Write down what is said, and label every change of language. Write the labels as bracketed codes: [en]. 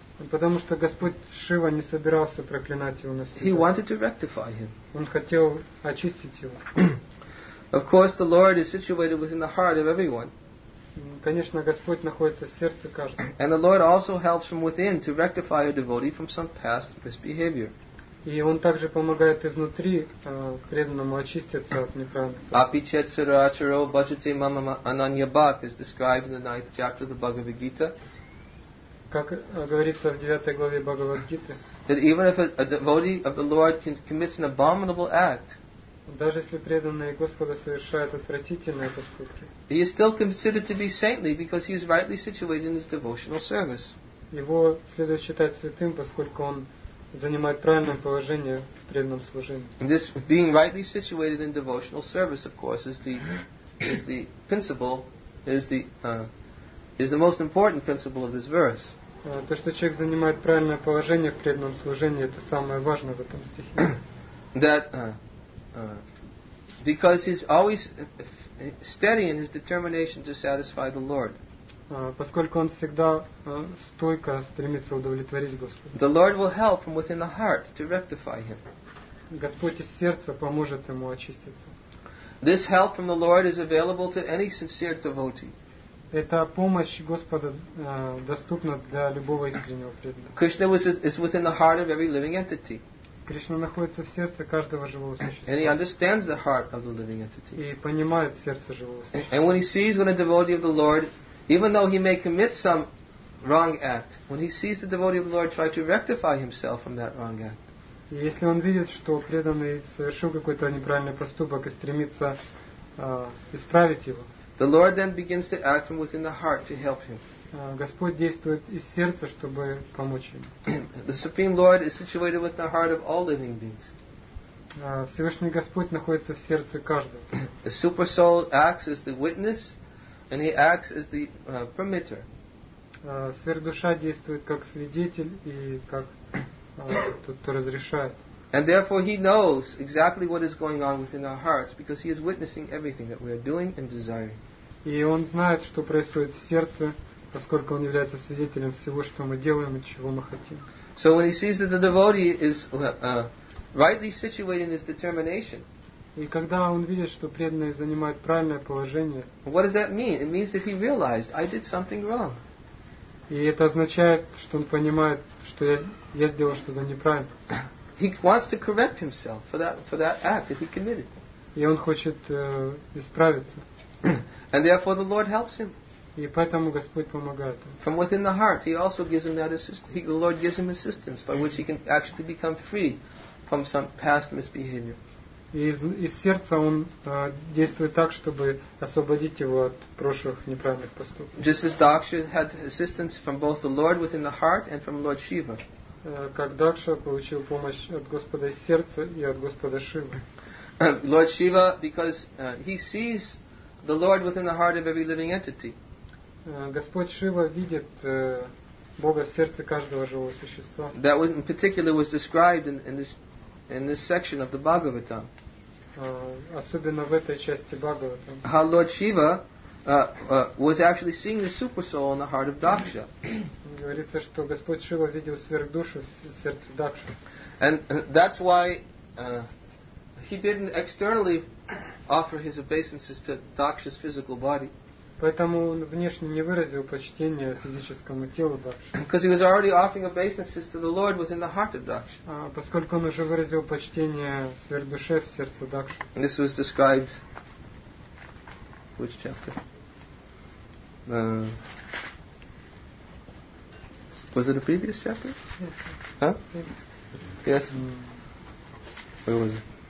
[ru] Потому что Господь Шива не собирался проклинать его навсегда. [en] He wanted to rectify him. [ru] Он хотел очистить его. [en] Of course, the Lord is situated within the heart of everyone. [ru] Конечно, Господь находится в сердце каждого. [en] And the Lord also helps from within to rectify a devotee from some past misbehavior. [ru] И он также помогает изнутри преданному очиститься от неправильности. [sa] Апичет сарачаро баджате мама ананьябак [en] is described in the 9th chapter of the Bhagavad Gita. [ru] Как говорится в 9 главе Бхагавад-гиты. [en] That even if a devotee of the Lord commits an abominable act, [ru] даже если преданный Господа совершает отвратительные поступки, [en] he is still considered to be saintly because he is rightly situated in his devotional service. [ru] Его следует считать святым, поскольку он занимает правильное положение в преданном служении. [en] This being rightly situated in devotional service, of course, is the most important principle of this verse. [ru] То, что человек занимает правильное положение в преданном служении, это самое важное в этом стихе. [en] Because he's always steady in his determination to satisfy the Lord. [ru] Поскольку он всегда стойко стремится удовлетворить Господа. [en] The Lord will help from within the heart to rectify him. [ru] Господь из сердца поможет ему очиститься. [en] This help from the Lord is available to any sincere devotee. [ru] Эта помощь Господа доступна для любого искреннего преданного. [en] Krishna is within the heart of every living entity. [ru] Кришна находится в сердце каждого живого существа. [en] And he understands the heart of the living entity. [ru] И понимает сердце живого существа. [en] And when he sees when a devotee of the Lord, even though he may commit some wrong act, when he sees the devotee of the Lord try to rectify himself from that wrong act. [ru] И если он видит, что преданный совершил какой-то неправильный поступок и стремится исправить его. [en] The Lord then begins to act from within the heart to help him. [ru] Господь действует из сердца, чтобы помочь ему. [en] The Supreme Lord is situated within the heart of all living beings. [ru] Всевышний Господь находится в сердце каждого. [en] The Super Soul acts as the witness, and he acts as the permitter. [ru] Сверхдуша действует как свидетель и как тот, кто разрешает. [en] And therefore he knows exactly what is going on within our hearts because he is witnessing everything that we are doing and desiring. [ru] И он знает, что происходит в сердце, поскольку он является свидетелем всего, что мы делаем и чего мы хотим. [en] So when he sees that the devotee is rightly situated in his determination. [ru] И когда он видит, что преданный занимает правильное положение. [en] What does that mean? It means that he realized I did something wrong. [ru] И это означает, что он понимает, что я сделал что-то неправильно. [en] He wants to correct himself for that act that he committed. [ru] И он хочет исправиться. [en] And therefore the Lord helps him. [ru] И поэтому Господь помогает ему. [en] From within the heart, he also gives him that assistance. The Lord gives him assistance by which he can actually become free from some past misbehavior. [ru] И из сердца он действует так, чтобы освободить его от прошлых неправильных поступков. [en] Just as Daksha had assistance from both the Lord within the heart and from Lord Shiva. [ru] Как Дакша получил помощь от Господа из сердца и от Господа Шивы. [en] Lord Shiva, because he sees the Lord within the heart of every living entity. [ru] Господь Шива видит Бога в сердце каждого живого существа. [en] That was in particular was described in this section of the Bhagavatam. [ru] Особенно в этой части Бхагаватам. [en] How Lord Shiva was actually seeing the super soul in the heart of Daksha. [ru] Говорится, что Господь Шива видел сверхдушу в сердце Дакши. [en] And that's why he didn't externally offer his obeisances to Daksha's physical body. [ru] Поэтому он внешне не выразил почтения физическому телу Дакши. [en] Because he was already offering obeisances to the Lord within the heart of Daksha. [ru] Поскольку он уже выразил почтение сверхдуше в сердце Дакши. [en] This was described. Which chapter? Was it a previous chapter? Yes. Huh? Yes. Where was it?